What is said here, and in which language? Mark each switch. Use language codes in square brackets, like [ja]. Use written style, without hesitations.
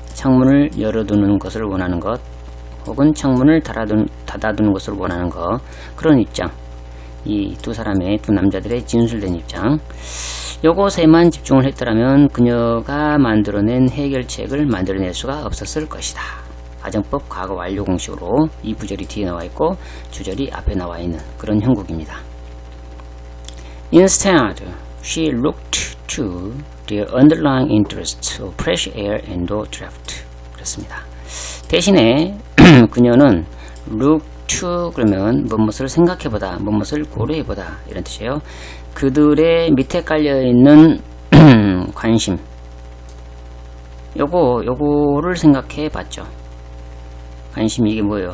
[ko] 창문을 열어두는 것을 원하는 것 혹은 창문을 닫아두는 것을 원하는 것 그런 입장 이 두 사람의 두 남자들의 진술된 입장 요것에만 집중을 했더라면 그녀가 만들어낸 해결책을 만들어낼 수가 없었을 것이다. 가정법 과거 완료 공식으로 이 부절이 뒤에 나와 있고 주절이 앞에 나와 있는 그런 형국입니다. [en] Instead, she looked to the underlying interests of fresh air and draft. [ko] 그렇습니다. 대신에 그녀는 [en] look to [ko] 그러면 무엇을 생각해보다, 무엇을 고려해보다 이런 뜻이에요. 그들의 밑에 깔려있는 관심 요거를 생각해봤죠. 관심이 이게 뭐예요?